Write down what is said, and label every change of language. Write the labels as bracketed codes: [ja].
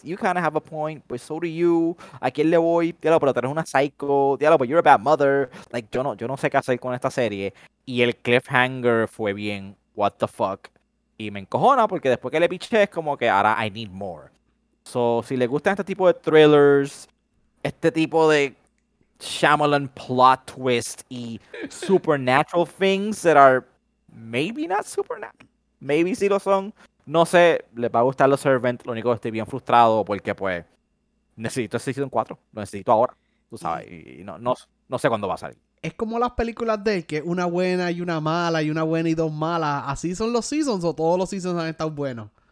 [en] You kind of have a point, but so do you. [es] ¿A quién le voy? Diablo, pero tú eres una psycho. Diablo, [en] but you're a bad mother. [es] Like, yo no sé qué hacer con esta serie. Y el cliffhanger fue bien, [en] what the fuck? [es] Y me encojona porque después que le piché es como que ahora [en] I need more. [es] So, si le gustan este tipo de thrillers, este tipo de [en] Shyamalan plot twist [es] y [en] supernatural things that are maybe not supernatural. Maybe [es] sí lo son. No sé, les va a gustar los Servant. Lo único que estoy bien frustrado porque, pues, necesito ese season 4. Lo necesito ahora. Tú sabes. Y no sé cuándo va a salir. Es como las películas de él, que una buena y una mala, y una buena y dos malas. ¿Así son los seasons o todos los seasons han estado buenos?